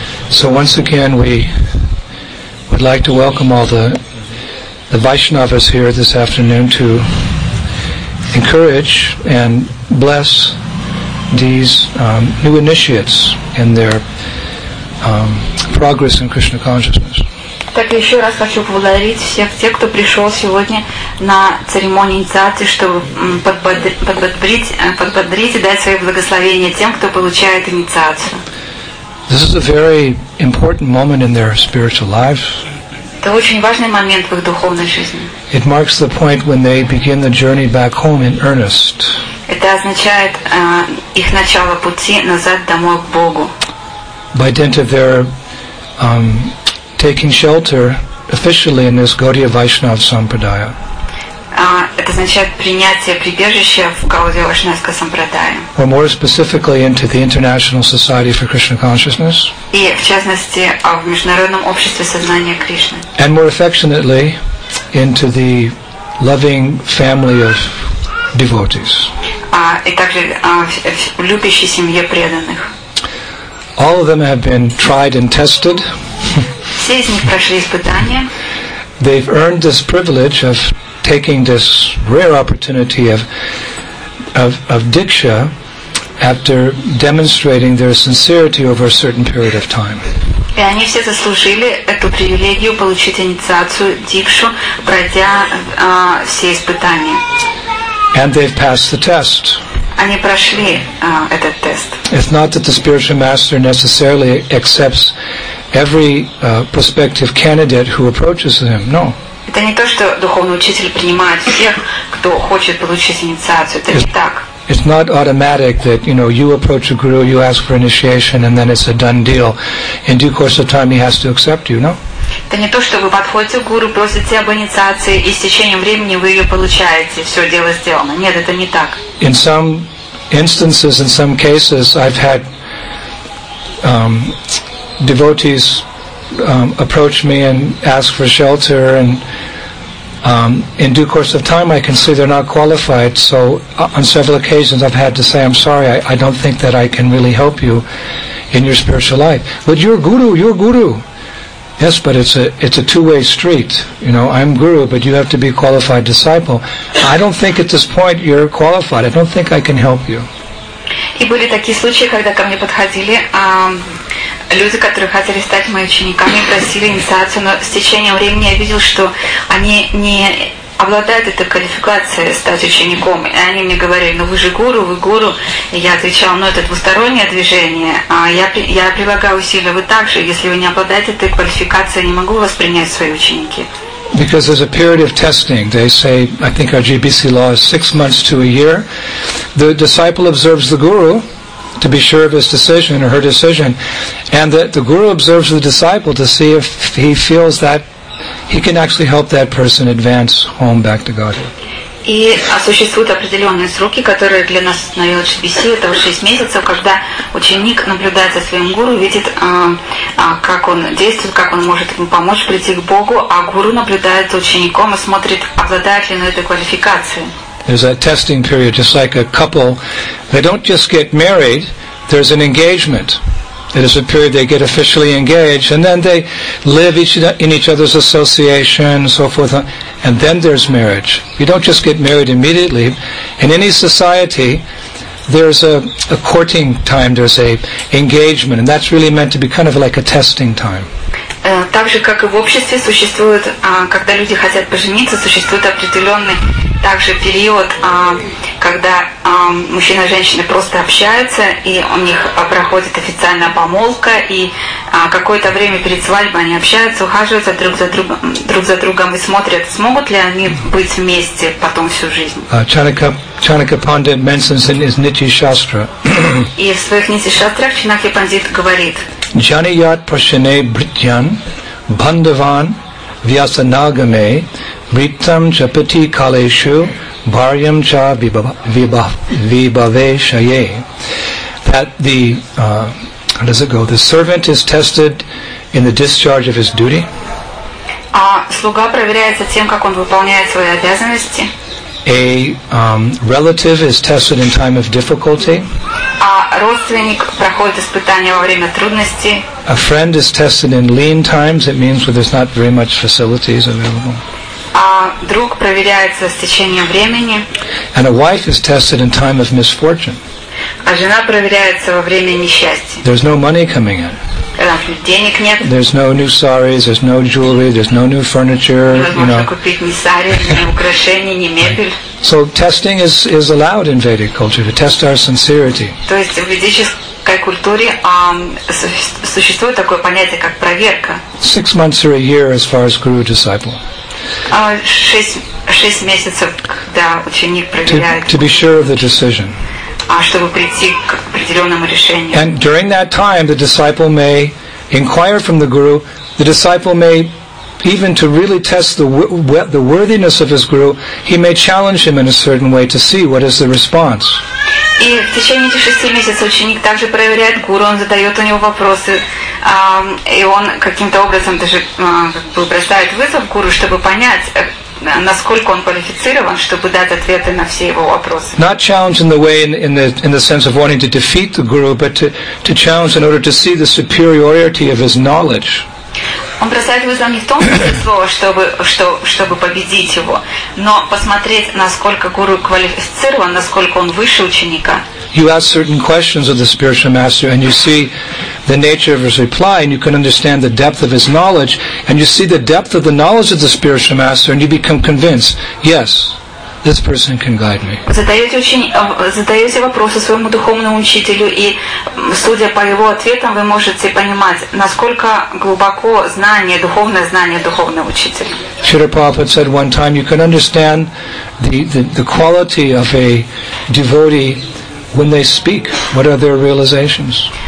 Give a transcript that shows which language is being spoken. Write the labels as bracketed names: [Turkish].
[English] So once again, we would like to welcome all the Vaishnavas here this afternoon to encourage and bless these new initiates in their progress in Krishna consciousness. [Russian] Так еще раз хочу поблагодарить всех тех, кто пришел сегодня на церемонию инициации, чтобы подбодрить и дать свои благословения тем, кто получает инициацию. [English] This is a very important moment in their spiritual lives. [Russian] Это очень важный момент в их духовной жизни. [English] It marks the point when they begin the journey back home in earnest. [Russian] Это означает их начало пути назад домой к Богу. [English] By dint of their taking shelter officially in this Gaudiya Vaishnava Sampradaya. [Russian] Это означает принятие прибежища в Гаудия Вайшнавской Сампрадае. [English] Or more specifically into the International Society for Krishna Consciousness. [Russian] И в частности в Международном обществе сознания Кришны. [English] And more affectionately into the loving family of devotees. [Russian] И также в любящей семье преданных. [English] All of them have been tried and tested. [Russian] Все из них прошли испытания. [English] They've earned this privilege of taking this rare opportunity of diksha after demonstrating their sincerity over a certain period of time. [Russian] И они все заслужили эту привилегию получить инициацию дикшу, пройдя все испытания. [English] And they've passed the test. [Russian] Они прошли этот тест. [English] It's not that the spiritual master necessarily accepts every prospective candidate who approaches him. No. [Russian] Это не то, что духовный учитель принимает всех, кто хочет получить инициацию. Это не так. [English] It's not automatic that, you know, you approach a guru, you ask for initiation, and then it's a done deal. In due course of time, he has to accept you, no? [Russian] Это не то, что вы подходите к гуру, просите об инициации, и с течением времени вы ее получаете, все дело сделано. Нет, это не так. [English] In some instances, in some cases, I've had devotees approach me and ask for shelter, and in due course of time, I can see they're not qualified. So, on several occasions, I've had to say, "I'm sorry, I don't think that I can really help you in your spiritual life." But you're guru, you're guru. Yes, but it's a two-way street. You know, I'm guru, but you have to be qualified disciple. I don't think at this point you're qualified. I don't think I can help you. [Russian] И были такие случаи, когда ко мне подходили люди, которые хотели стать моими учениками, просили инициацию, но с течением времени я видел, что они не обладают этой квалификацией стать учеником. И они мне говорили, ну вы же гуру, вы гуру. И я отвечал, ну это двустороннее движение, я прилагаю усилия, вы также. Если вы не обладаете этой квалификацией, я не могу вас принять в свои ученики. [English] Because there's a period of testing. They say, I think our GBC law is 6 months to a year. The disciple observes the guru to be sure of his decision or her decision, and that the guru observes the disciple to see if he feels that he can actually help that person advance home back to Godhead. [Russian] И существуют определенные сроки, которые для нас на LHBC это 6 месяцев, когда ученик наблюдает за своим гуру, видит, как он действует, как он может ему помочь прийти к Богу, а гуру наблюдает за учеником и смотрит, обладает ли он этой квалификацией. [English] There's a testing period, just like a couple. They don't just get married, there's an engagement. It is a period they get officially engaged, and then they live each in each other's association, and so forth, and then there's marriage. You don't just get married immediately. In any society, there's a courting time, there's a engagement, and that's really meant to be kind of like a testing time. [Russian] Так же, как и в обществе, существует, когда люди хотят пожениться, существует определенный также период, когда мужчина и женщина просто общаются, и у них проходит официальная помолвка, и какое-то время перед свадьбой они общаются, ухаживаются друг за другом и смотрят, смогут ли они быть вместе потом всю жизнь. [English] Chanaka Pandit mentions in his Niti Shastra. [Russian] И в своих Niti Shastra Chanakya Pandit говорит. [Sanskrit] Janiyat prashane brityan bandavan vyasanagame britam japati kaleshu bharyam cha vibhaveshaye. [English] That the, how does it go? The servant is tested in the discharge of his duty. [Russian] А слуга проверяется тем, как он выполняет свои обязанности. [English] A relative is tested in time of difficulty. [Russian] A родственник проходит испытания во время трудностей. [English] A friend is tested in lean times. It means where there's not very much facilities available. [Russian] А друг проверяется с течением времени. [English] And a wife is tested in time of misfortune. [Russian] А жена проверяется во время несчастья. [English] There's no money coming in. [Russian] Денег нет. [English] There's no new saris, there's no jewelry, there's no new furniture, you know. [Russian] Купить ни сари, ни украшения, ни мебель. [English] So testing is allowed in Vedic culture to test our sincerity. [Russian] То есть в ведической культуре существует такое понятие, как проверка. [English] 6 months or a year as far as guru disciple. [Russian] Шесть месяцев, когда ученик проверяет. [English] To be sure of the decision. [Russian] Чтобы прийти к определенному решению. [English] And during that time, the disciple may inquire from the guru. The disciple may, even to really test the worthiness of his guru, he may challenge him in a certain way to see what is the response. [Russian] И в течение этих 6 месяцев ученик также проверяет гуру. Он задает у него вопросы, и он каким-то образом даже бросает вызов гуру, чтобы понять. Насколько он квалифицирован, чтобы дать ответы на все его вопросы. [English] Not challenge in the way in the sense of wanting to defeat the guru, but to challenge in order to see the superiority of his knowledge. [Russian] Он бросает вызов не в том смысле, чтобы победить его, но посмотреть, насколько гуру квалифицирован, насколько он выше ученика. [English] You ask certain questions of the spiritual master, and you see the nature of his reply, and you can understand the depth of his knowledge, and you see the depth of the knowledge of the spiritual master, and you become convinced, yes, this person can guide me. [Russian] Задаете вопросы своему духовному учителю, и судя по его ответам, вы можете понимать, насколько глубоко знание, духовное знание духовного учителя. [English] Srila Prabhupada said one time, you can understand the quality of a devotee when they speak. What are their realizations?